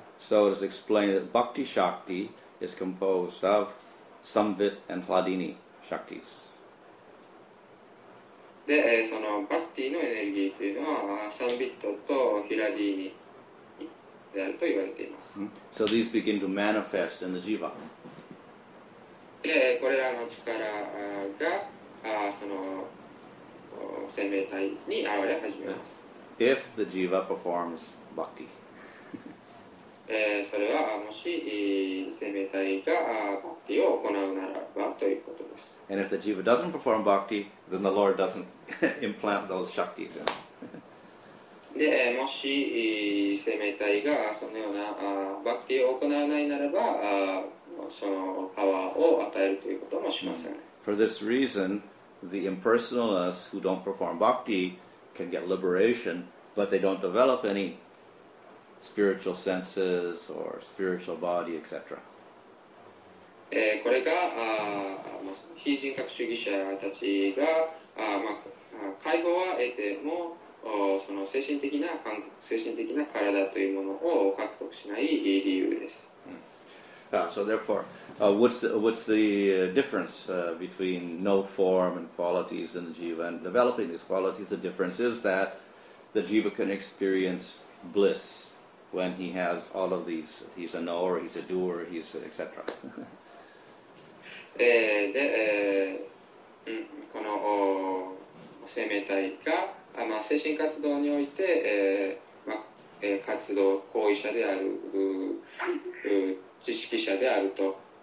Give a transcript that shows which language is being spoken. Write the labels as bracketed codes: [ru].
[en] So it is explained that bhakti shakti is composed of samvit and hladini shaktis. [ja] で、そのバクティのエネルギーというのは、サンビットとヒラディーニであると言われています。 [en] So these begin to manifest in the jiva. [ja] で、これらの力がその生命体に現れ始めます。 [en] If the jiva performs bhakti. [ja] それはもし生命体がバクティを行うならばということです。 [en] And if the jiva doesn't perform bhakti, then the Lord doesn't implant those shaktis in. [ja] で、もし生命体がそのようなバクティを行わないならば、そのパワーを与えるということもしません。 [en] For this reason, the impersonalists who don't perform bhakti can get liberation, but they don't develop any spiritual senses or spiritual body, etc. [ja] これが非人格主義者たちが、まあ、解放は得てもその精神的な感覚、精神的な体というものを獲得しない理由です。 [en] So therefore, what's the difference between no form and qualities in the jiva and developing these qualities? The difference is that the jiva can experience bliss when he has all of these. He's a knower, he's a doer, he's etc. [ja] で、この生命体がまあ、精神活動において、まあ活動行為者である、知識者であると、